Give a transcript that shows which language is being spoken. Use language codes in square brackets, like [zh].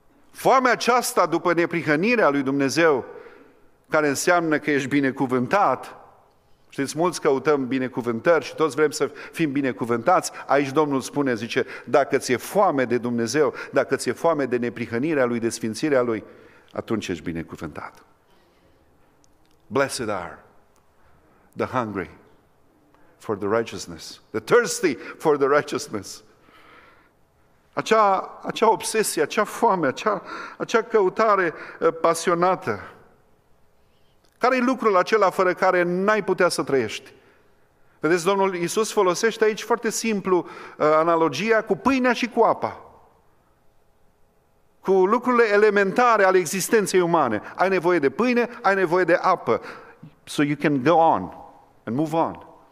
[ro] Foamea aceasta după neprihănirea lui Dumnezeu, care înseamnă că ești binecuvântat, știți, mulți căutăm binecuvântări și toți vrem să fim binecuvântați, aici Domnul spune, zice, dacă ți-e foame de Dumnezeu, dacă ți-e foame de neprihănirea Lui, de sfințirea Lui, atunci ești binecuvântat. [en] Blessed are the hungry for the righteousness, the thirsty for the righteousness. [ro] Acea obsesie, acea foame, acea căutare pasionată. Care-i lucrul acela fără care n-ai putea să trăiești? Vedeți, Domnul Iisus folosește aici foarte simplu analogia cu pâinea și cu apa. Cu lucrurile elementare ale existenței umane. Ai nevoie de pâine, ai nevoie de apă. [en] So you can go on and move on.